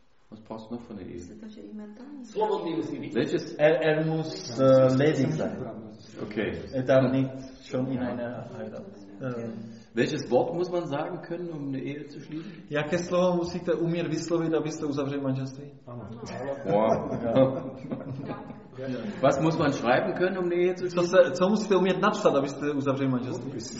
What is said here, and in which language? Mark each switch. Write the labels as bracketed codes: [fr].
[de] Was brauchst du noch von der Ehe? [cs] Slobodný musí být. [de] Er muss ledig sein. Okay. Er darf nicht schon in einer Heirat. Welches Wort muss man sagen können, um eine Ehe zu schließen? [cs] Jaké slovo musíte umět vyslovit, abyste uzavřeli manželství? Ano. Wow. [de] Was muss man schreiben können, um eine Ehe zu schließen? [cs] Co musíte umět napsat, abyste uzavřeli manželství?